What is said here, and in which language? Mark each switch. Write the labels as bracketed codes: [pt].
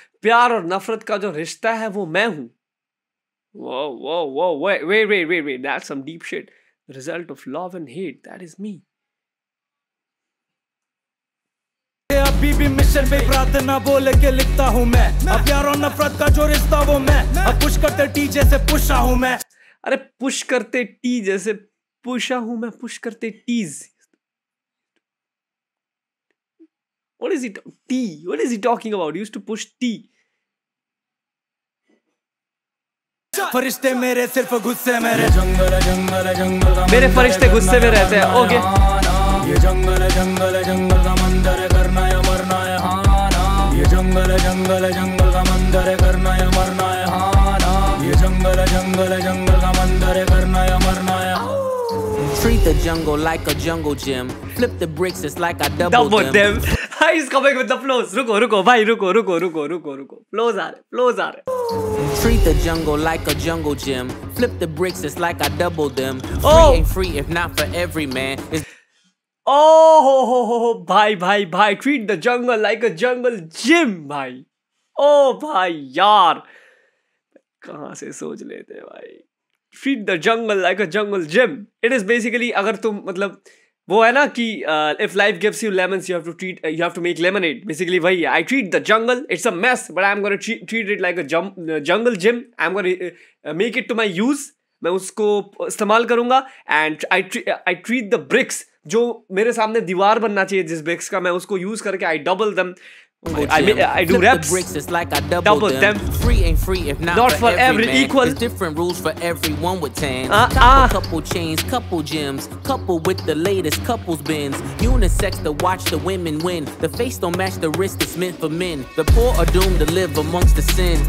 [hi] प्यार और नफरत का जो रिश्ता है वो मैं हूँ। वो [en] Wait that some deep shit, result of love and hate, that is me. [hi] अभी भी मिशन पे प्रार्थना बोल के लिखता हूँ मैं, प्यार और नफरत का जो रिश्ता वो मैं, अब पुश करते टी जैसे पुशा हूँ मैं, अरे पुश करते टी जैसे पुशा हूँ मैं, पुश करते tease, [en] what is it, tea, what is he talking about, he used to push tea। [hi] फरिश्ते मेरे सिर्फ गुस्से मेरे जंगल जंगल जंगल, मेरे फरिश्ते गुस्से में रहते हैं। ओके ये जंगल जंगल जंगल का मंदिर है, करना या मरना है, हां ना ये जंगल जंगल जंगल का मंदिर है, करना या मरना है, हां ना ये जंगल जंगल जंगल का मंदिर है, करना या मरना है। [en] Treat the jungle like a jungle gym. Flip the bricks, it's like a double them. He's coming with the flows. Ruko. Flows are. Treat the jungle like a jungle gym. Flip the bricks, it's like I double them. Free ain't free if not for every man. Bhai. Treat the jungle like a jungle gym, bhai. [hi] Oh, bhai, yaar. Kahan se soch lete, bhai. [en] Feed the jungle like a jungle gym. It is basically, [hi] अगर तुम मतलब वो है ना कि [en] if life gives you lemons, you have to make lemonade. Basically [hi] वही है. [en] I treat the jungle. It's a mess, but I'm gonna treat it like a jungle gym. I'm gonna make it to my use. [hi] मैं उसको इस्तेमाल करूँगा. [en] And I treat the bricks, [hi] जो मेरे सामने दीवार बनना चाहिए जिस bricks का, मैं उसको use करके [en] I double them. I do reps. The bricks, it's like I double them. Free ain't free if not for every man. Equal. It's different rules for everyone with tans. Couple chains, couple gems. Couple with the latest couples bins. Unisex to watch the women win. The face don't match the wrist, it's meant for men. The poor are doomed to live amongst the sins.